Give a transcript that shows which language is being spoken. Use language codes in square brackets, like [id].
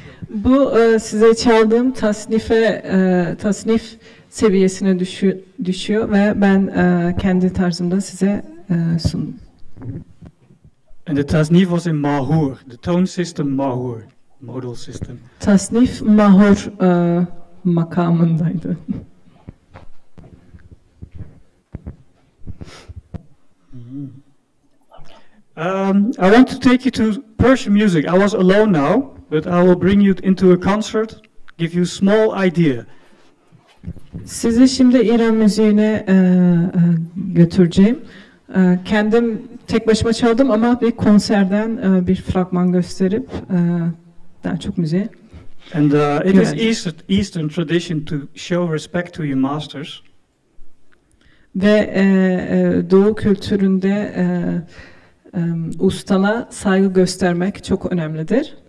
[tr] Bu size çaldığım tasnife tasnif seviyesine düşüyor ve ben kendi tarzımda size sundum. [en] And the tasnif was in Mahur, the tone system Mahur, modal system. [tr] Tasnif Mahur makamındaydı. [en] I want to take you to Persian music. I was alone now, but I will bring you into a concert, give you a small idea. [tr] Sizi şimdi İran müziğine götüreceğim. Kendim tek başıma çaldım ama bir konserden bir fragman gösterip daha çok müziğe. [en] And it is Eastern tradition to show respect to your masters. [tr] Ve Doğu kültüründe ustana saygı göstermek çok önemlidir.